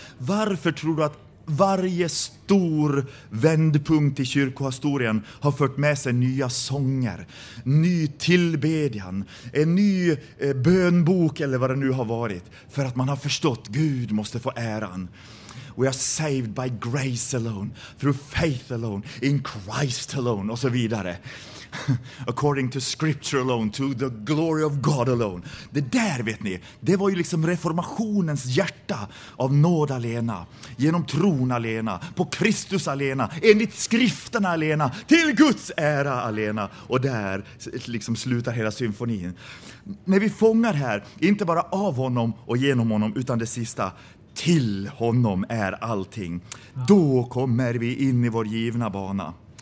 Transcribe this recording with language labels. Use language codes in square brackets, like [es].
[sv] Varför tror du att varje stor vändpunkt i kyrkohistorien har fört med sig nya sånger, ny tillbedjan, en ny bönbok eller vad det nu har varit, för att man har förstått Gud måste få äran. [en] We are saved by grace alone, through faith alone, in Christ alone, [sv] och så vidare. [en] According to scripture alone, to the glory of God alone. [sv] Det där, vet ni, det var ju liksom reformationens hjärta, av nåd alena, genom tron alena, på Kristus alena, enligt skrifterna alena, till Guds ära alena. Och där liksom slutar hela symfonin. När vi fångar här, inte bara av honom och genom honom, utan det sista, till honom är allting, då kommer vi in i vår givna bana.